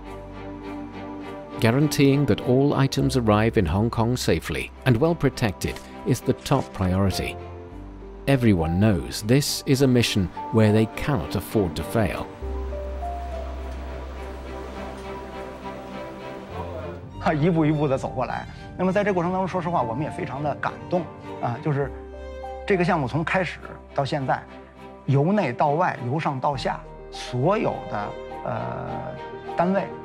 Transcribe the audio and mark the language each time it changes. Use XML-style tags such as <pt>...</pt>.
<zh>因为这个本身这这么大一片磬啊，磨这么好，还挺难得的，所以它这上面这个那个这个漆补漆的这部分就我还挺关注的。如果他们这边修完了，我们4月18号就集中的时候就预装箱了。</zh> <en>Guaranteeing that all items arrive in Hong Kong safely and well protected is the top priority. Everyone knows this is a mission where they cannot afford to fail.</en> <zh>一步一步的走过来，那么在这过程当中，说实话，我们也非常的感动啊，就是这个项目从开始到现在，由内到外，由上到下，所有的单位。</zh>